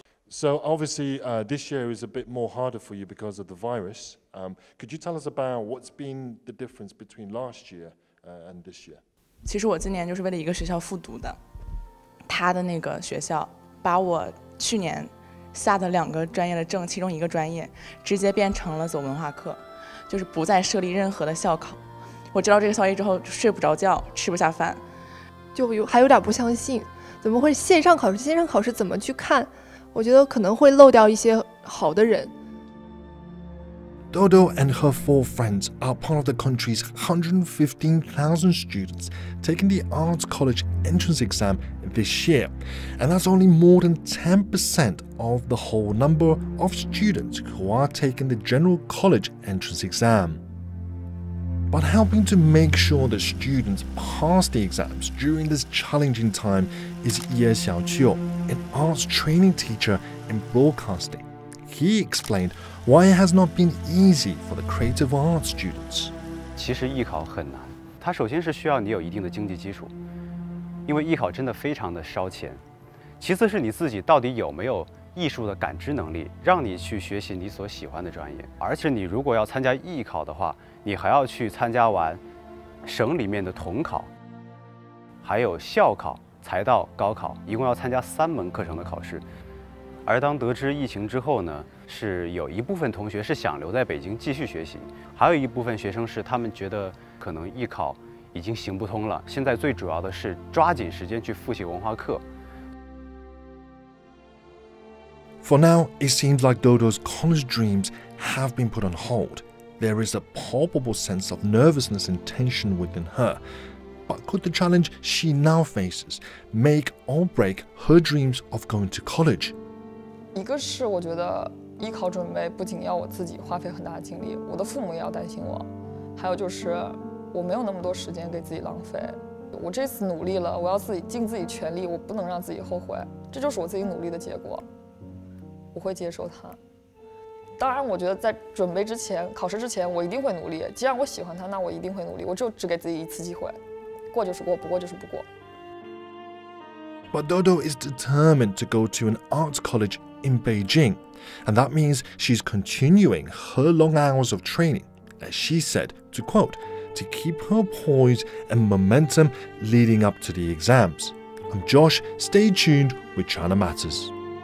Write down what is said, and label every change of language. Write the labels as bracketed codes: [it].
[en] So obviously、this year is a bit more harder for you because of the virus.、could you tell us about what's been the difference between last year、and this year? [zh] 其实我今年就是为了一个学校复读的。他的那个学校把我去年下的两个专业的证其中一个专业直接变成了走文化课就是不再设立任何的校考。我知道这个消息之后睡不着觉吃不下饭。就有还有点不相信怎么会线上考试线上考试怎么去看我觉得可能会漏掉一些好的人。 [en] Dodo and her four friends are part of the country's 115,000 students taking the Arts College entrance exam this year. And that's only more than 10% of the whole number of students who are taking the General College entrance exam. But helping to make sure that students pass the exams during this challenging time is Ye Xiaoqiu, an arts training teacher in broadcasting. He explained why it has not been easy for the creative arts students. [zh] 其实艺考很难，它首先是需要你有一定的经济基础，因为艺考真的非常的烧钱。其次是你自己到底有没有艺术的感知能力，让你去学习你所喜欢的专业。而且你如果要参加艺考的话，你还要去参加完省里面的统考，还有校考、才到高考，一共要参加三门课程的考试。而当得知疫情之后呢，是有一部分同学是想留在北京继续学习，还有一部分学生是他们觉得可能艺考已经行不通了，现在最主要的是抓紧时间去复习文化课。 [en] For now, it seems like Dodo's college dreams have been put on hold. There is a palpable sense of nervousness and tension within her. But could the challenge she now faces make or break her dreams of going to college? [zh] 一个是我觉得艺考准备不仅要我自己花费很大的精力，我的父母也要担心我。还有就是我没有那么多时间给自己浪费。我这次努力了，我要自己尽自己全力，我不能让自己后悔。这就是我自己努力的结果，我会接受它。当然，我觉得在准备之前，考试之前，我一定会努力。既然我喜欢它，那我一定会努力。我就只给自己一次机会，过就是过，不过就是不过。 [en] But Dodo is determined to go to an arts college. In Beijing, and that means she's continuing her long hours of training, as she said, to quote, to keep her poise and momentum leading up to the exams. I'm Josh, stay tuned with China Matters.